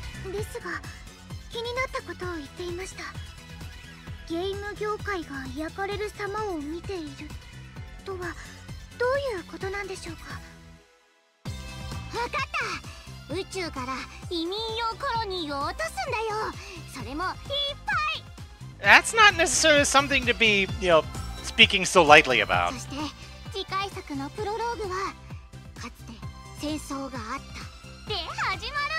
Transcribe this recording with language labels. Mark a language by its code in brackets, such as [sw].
[ja] ですが、気になったことを言っていました。ゲーム業界が焼かれる様を見ているとはどういうことなんでしょうか。わかった。宇宙から移民用コロニーを落とすんだよ。それもいっぱい。 [en] That's not necessarily something to be, you know, speaking so lightly about. [ja] そして次回作のプロローグは、かつて戦争があった、で始まるんだよ。